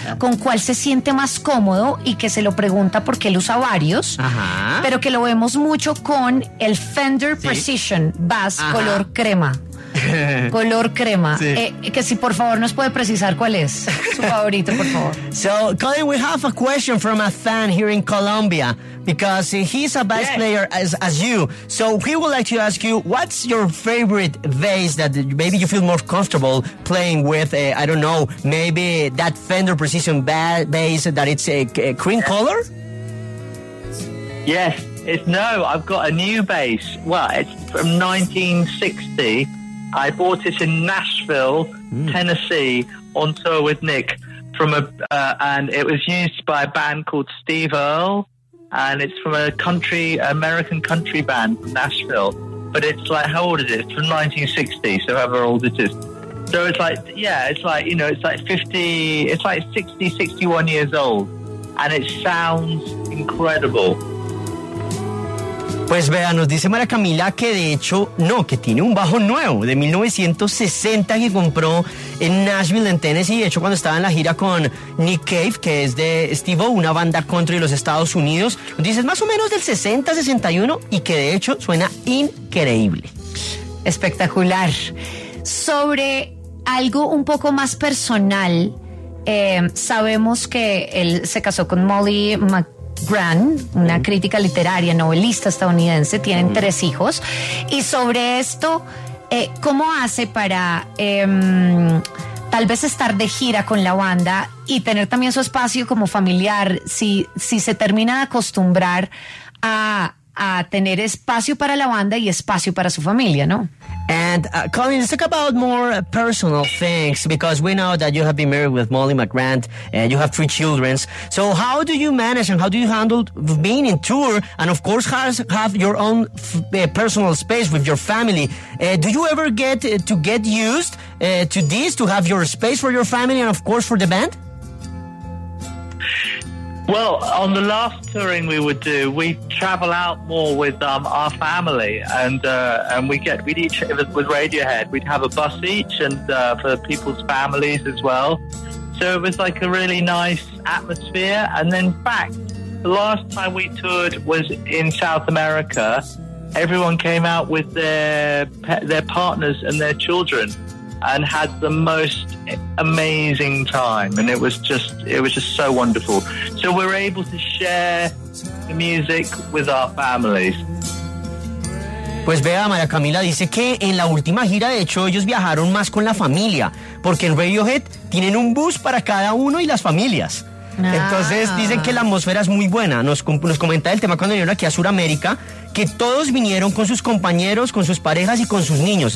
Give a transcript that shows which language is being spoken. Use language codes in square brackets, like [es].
[es] ¿Con cuál se siente más cómodo? Y que se lo pregunta porque él usa varios. Ajá. Pero que lo vemos mucho con el Fender, ¿sí?, Precision Bass. Ajá. Color crema. Color crema. Sí. Que si por favor nos puede precisar cuál es su favorito, por favor. [en] So, Colin, we have a question from a fan here in Colombia. Because he's a bass, yes, player as you. So he would like to ask you, what's your favorite bass that maybe you feel more comfortable playing with? I don't know, maybe that Fender Precision bass that it's a cream color? Yes. No, I've got a new bass. Well, it's from 1960. I bought it in Nashville, Tennessee, on tour with Nick. And it was used by a band called Steve Earle. And it's from a country, American country band from Nashville. But it's like, how old is it? It's from 1960, so however old it is. So it's like, yeah, it's like, you know, it's like 50, it's like 60, 61 years old. And it sounds incredible. [es] Pues vea, nos dice María Camila que de hecho, no, que tiene un bajo nuevo de 1960 que compró en Nashville, en Tennessee. De hecho, cuando estaba en la gira con Nick Cave, que es de Steve-O, una banda country de los Estados Unidos, nos dice más o menos del 60, 61 y que de hecho suena increíble. Espectacular. Sobre algo un poco más personal, sabemos que él se casó con Molly Gran, una crítica literaria, novelista estadounidense, tienen tres hijos. Y sobre esto, ¿cómo hace para tal vez estar de gira con la banda y tener también su espacio como familiar? Si se termina de acostumbrar a tener espacio para la banda y espacio para su familia, ¿no? [en] And Colin, let's talk about more personal things, because we know that you have been married with Molly McGrant and you have three children. So how do you manage and how do you handle being in tour and of course have your own personal space with your family? Do you ever get to get used to this, to have your space for your family and of course for the band? Well, on the last touring we would do, we travel out more with our family, and we'd each, with Radiohead, we'd have a bus each, and for people's families as well. So it was like a really nice atmosphere. And then, in fact, the last time we toured was in South America. Everyone came out with their partners and their children, and had the most amazing time, and it was just so wonderful. So we're able to share the music with our families. [es] Pues vea, María Camila dice que en la última gira, de hecho, ellos viajaron más con la familia, porque en Radiohead tienen un bus para cada uno y las familias. Entonces dicen que la atmósfera es muy buena. Nos comenta el tema cuando vinieron aquí a Sudamérica, que todos vinieron con sus compañeros, con sus parejas y con sus niños.